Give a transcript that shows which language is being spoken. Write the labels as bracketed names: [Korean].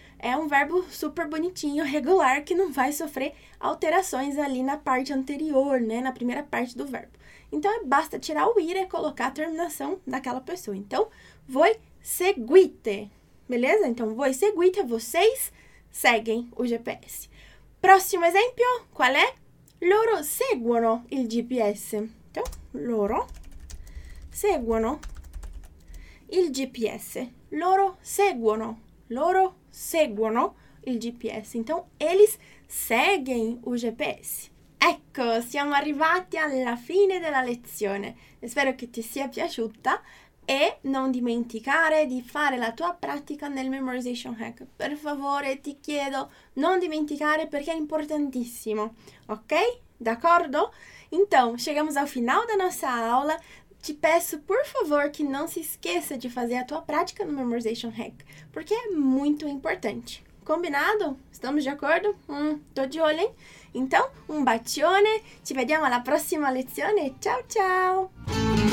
[Portuguese] É um verbo super bonitinho, regular, que não vai sofrer alterações ali na parte anterior, né? Na primeira parte do verbo. Então, basta tirar o ire e colocar a terminação daquela pessoa. Então, [Italian] voi seguite. [Portuguese] Beleza? Então, voi seguite, vocês seguem o GPS. Próximo exemplo, qual é? [Italian] Loro seguono il GPS. Então, loro seguono il GPS. Loro seguono. Loro seguono il GPS. [Portuguese] Então, eles seguem o GPS. [Italian] Ecco, siamo arrivati alla fine della lezione. Spero che ti sia piaciuta. E non dimenticare di fare la tua pratica nel memorization hack. Per favore, ti chiedo, non dimenticare perché è importantissimo. Ok? D'accordo? [Portuguese] Então, chegamos ao final da nossa aula. [Italian] Ti peço, por favor, che non si esqueça di fare la tua pratica no memorization hack. Perché è molto importante. [Portuguese] Combinado? Estamos de acordo? Tô de olho, hein? [Italian] Então, un bacione. Ci vediamo alla prossima lezione. Ciao, ciao!